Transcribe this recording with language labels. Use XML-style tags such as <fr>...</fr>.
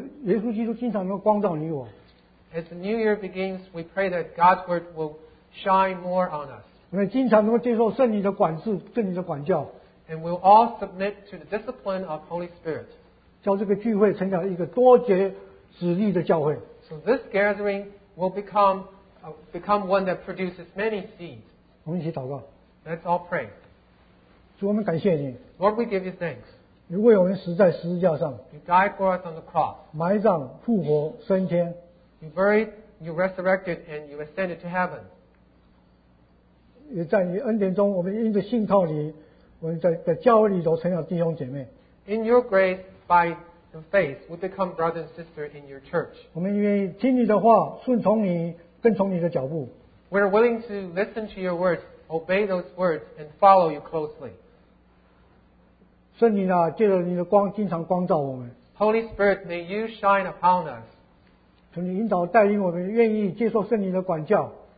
<zh>但是今年的里头神经常的话语，他的神耶稣基督经常的光照你我,</zh> <en>as the new year begins, we pray that God's word will shine more on us.</en> <zh>我们经常能够接受圣灵的管制，圣灵的管教,</zh> <en>and we'll all submit to the discipline of Holy Spirit.</en> <zh>叫这个聚会成了一个多结子粒的教会,</zh> <en>so this gathering will become one that produces many seeds.</en> <zh>我们一起祷告,</zh> <en>let's all pray.</en> <zh>主我们感谢你,</zh> <en>Lord, we give you thanks.</en> <zh>你为我们死在十字架上,</zh> <en>you died for us on the cross.</en> <zh>埋葬复活升天,</zh> <en>you buried, you resurrected, and you ascended to heaven.</en> <zh>也在你恩典中, 我们因着信靠你, 我们在教会里头成了弟兄姐妹,</zh> <en>in your grace, by the faith, we become brother and sister in your church.</en> <zh>我们愿意听你的话, 顺从你, 跟从你的脚步,</zh> <en>we're willing to listen to your words, obey those words, and follow you closely.</en> <zh>圣灵啊, 借着你的光, 经常光照我们,</zh> <en>Holy Spirit, may you shine upon us.</en> <zh>从你引导, 带领我们, 愿意接受圣灵的管教,</zh>